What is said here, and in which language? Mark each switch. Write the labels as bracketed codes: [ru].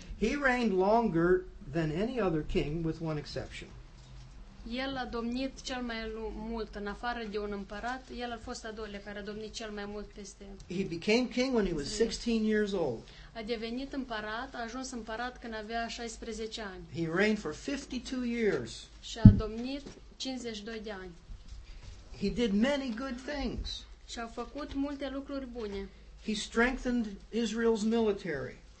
[en] He reigned longer than any other king, with one exception. [ro] El a domnit cel mai mult în afară de un împărat. El a fost a doua care a domnit cel mai mult peste. [en] He became king when he was 16 years old. [ro] A devenit împărat, a ajuns împărat când avea 16 ani. [en] He reigned for 52 years. [ro] Și a domnit 52 de ani. [en] He did many good things. [ro] Și a făcut multe lucruri bune. [en] He strengthened Israel's military.